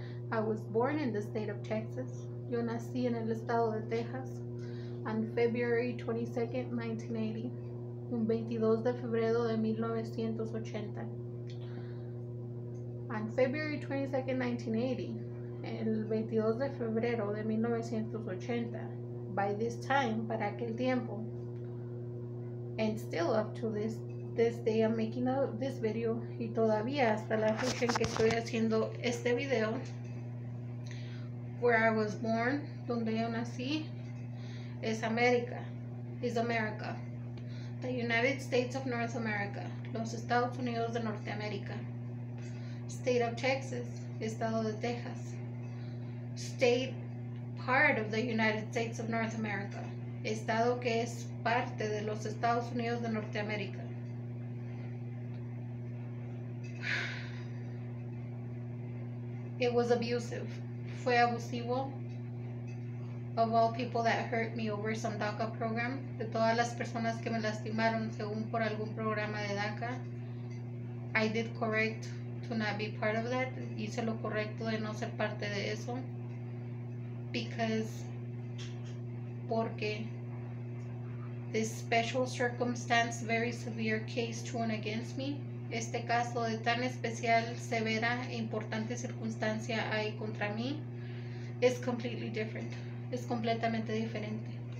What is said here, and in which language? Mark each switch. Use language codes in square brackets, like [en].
[en] I was born in the state of Texas. [es] Yo nací en el estado de Texas [en] on February 22nd, 1980. [es] Un 22 de febrero de 1980. [en] On February 22nd, 1980, [es] el 22 de febrero de 1980, [en] by this time, [es] para aquel tiempo, [en] and still up to this day I'm making this video, [es] y todavía hasta la fecha en que estoy haciendo este video, [en] where I was born, [es] donde yo nací, [en] is America. The United States of North America. [es] Los Estados Unidos de Norteamérica. [en] State of Texas. [es] Estado de Texas. [en] State part of the United States of North America. [es] Estado que es parte de los Estados Unidos de Norteamérica. [en] It was abusive. [es] Fue abusivo. [en] Of all people that hurt me over some DACA program. [es] De todas las personas que me lastimaron según por algún programa de DACA. [en] I did correct to not be part of that. [es] Hice lo correcto de no ser parte de eso. [en] Because. [es] Porque. [en] This special circumstance, very severe case to and against me. [es] Este caso de tan especial, severa e importante circunstancia hay contra mí [en] is completely different. [es] Es completamente diferente.